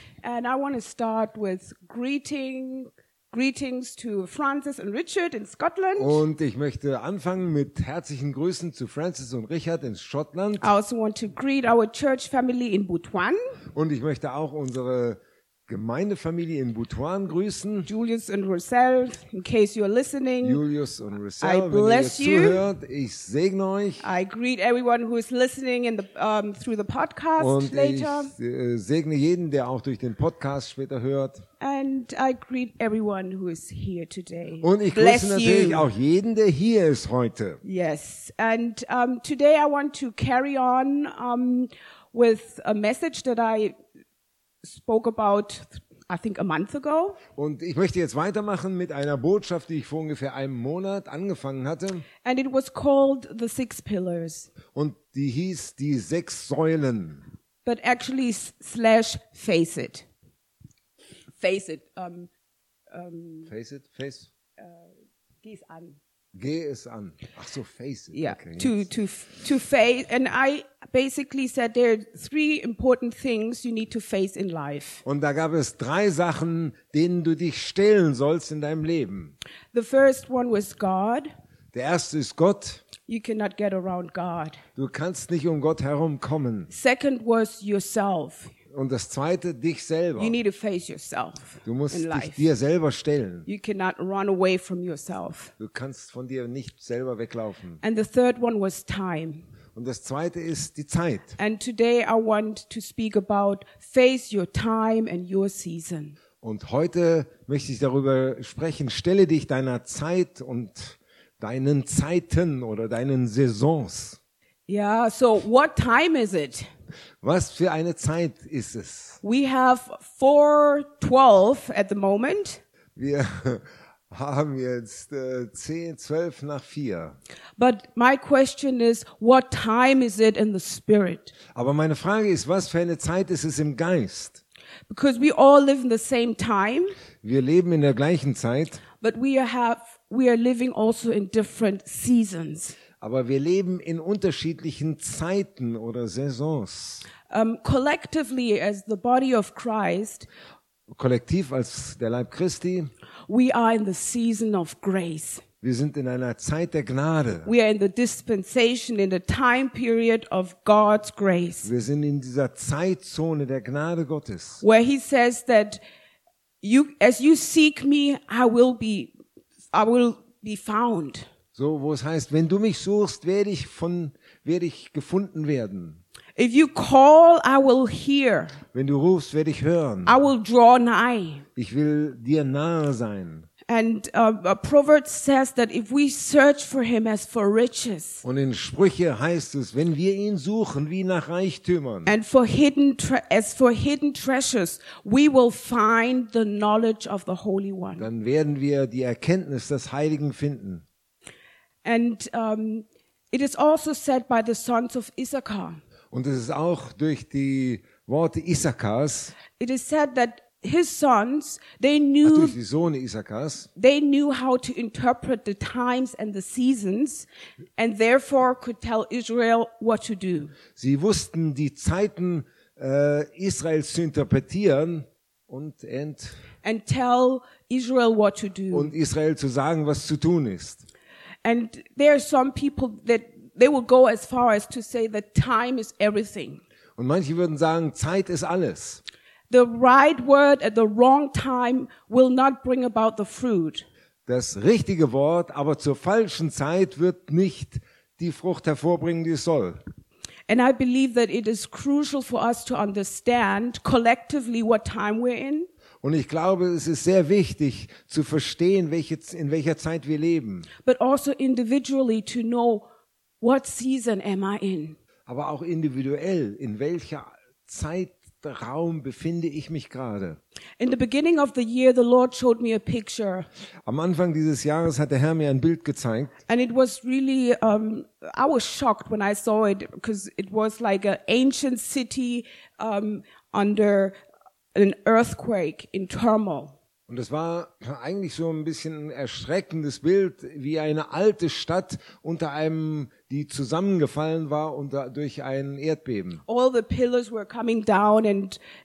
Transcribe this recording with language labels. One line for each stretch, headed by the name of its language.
English: And I want to start with greetings to Francis and Richard in Scotland.
German: Und ich möchte anfangen mit herzlichen Grüßen zu Francis und Richard in Schottland.
English: I also want to greet our church family in Butuan.
German: Und ich möchte auch unsere Gemeindefamilie in Butuan grüßen.
English: Julius and Roselle, in case you're listening.
German: Julius und Roselle, wenn ihr zuhört, ich segne euch.
English: I greet everyone who is listening in the through the podcast
German: und
English: later.
German: Und ich segne jeden, der auch durch den Podcast später hört.
English: And I greet everyone who is here today.
German: Und ich
English: bless
German: grüße natürlich
English: you.
German: Auch jeden, der hier ist heute.
English: Yes, and today I want to carry on with a message that I spoke about, I think, a month ago.
German: Und ich möchte jetzt weitermachen mit einer Botschaft, die ich vor ungefähr einem Monat angefangen hatte.
English: And it was called the Six Pillars.
German: Und die hieß die sechs Säulen.
English: But actually slash face it. Face it. Face it. Face.
German: Geh es an. Geh es an. Ach so,
English: face it. Yeah. Okay, to face. And I basically said there are three important things you need to face in life.
German: Und da gab es drei Sachen, denen du dich stellen sollst in deinem Leben.
English: The first one was God.
German: Der erste ist Gott.
English: You cannot get around God.
German: Du kannst nicht um Gott herumkommen.
English: Second was yourself.
German: Und das zweite, dich selber.
English: You need to face yourself.
German: Du musst dich dir selber stellen.
English: You cannot run away from yourself.
German: Du kannst von dir nicht selber weglaufen.
English: And the third one was time.
German: Und das zweite ist die Zeit.
English: And today I want to speak about face your time and your season.
German: Und heute möchte ich darüber sprechen, stelle dich deiner Zeit und deinen Zeiten oder deinen Saisons.
English: Yeah, so what time is it?
German: Was für eine Zeit ist es?
English: We have 4:12 at the moment.
German: Wir haben jetzt 12 nach 4.
English: But my question is, what time is it in the spirit?
German: Aber meine Frage ist, was für eine Zeit ist es im Geist?
English: Because we all live in the same time.
German: Wir leben in der gleichen Zeit.
English: But we are living also in different seasons.
German: Aber wir leben in unterschiedlichen Zeiten oder Saisons.
English: Collectively as the body of Christ,
German: kollektiv als der Leib Christi,
English: we are in the season of grace.
German: Wir sind in einer Zeit der Gnade.
English: We are in the dispensation, in the time period of God's grace.
German: Wir sind in dieser Zeitzone der Gnade Gottes.
English: Where he says that as you seek me, I will be found.
German: So, wo es heißt, wenn du mich suchst, werde ich gefunden werden.
English: If you call, I will hear.
German: Wenn du rufst, werde ich hören.
English: I will draw nigh.
German: Ich will dir nahe sein.
English: And Proverbs says that if we search for him as for riches.
German: Und in Sprüche heißt es, wenn wir ihn suchen wie nach Reichtümern.
English: And for hidden treasures, we will find the knowledge of the Holy One.
German: Dann werden wir die Erkenntnis des Heiligen finden.
English: And it is also said by the sons of Issachar.
German: Und es ist auch durch die Worte Issachars.
English: It is said that his sons, they knew.
German: Durch die Söhne Issachars.
English: They knew how to interpret the times and the seasons, and therefore could tell Israel what to do.
German: Sie wussten die Zeiten Israels zu interpretieren und
English: And tell Israel what to do.
German: Und Israel zu sagen, was zu tun ist.
English: And there are some people that they will go as far as to say that time is everything.
German: Und manche würden sagen, Zeit ist alles.
English: The right word at the wrong time will not bring about the fruit.
German: Das richtige Wort, aber zur falschen Zeit wird nicht die Frucht hervorbringen, die es soll.
English: And I believe that it is crucial for us to understand collectively what time we're in.
German: Und ich glaube, es ist sehr wichtig zu verstehen, in welcher Zeit wir leben.
English: But also individually to know what season am I in.
German: Aber auch individuell, in welcher Zeitraum befinde ich mich gerade?
English: In the beginning of the year the Lord showed me a picture.
German: Am Anfang dieses Jahres hat der Herr mir ein Bild gezeigt.
English: And it was really I was shocked when I saw it, because it was like an ancient city under an earthquake in turmoil.
German: Und es war eigentlich so ein bisschen ein erschreckendes Bild, wie eine alte Stadt unter einem, die zusammengefallen war unter, durch ein Erdbeben.
English: All the pillars were coming down and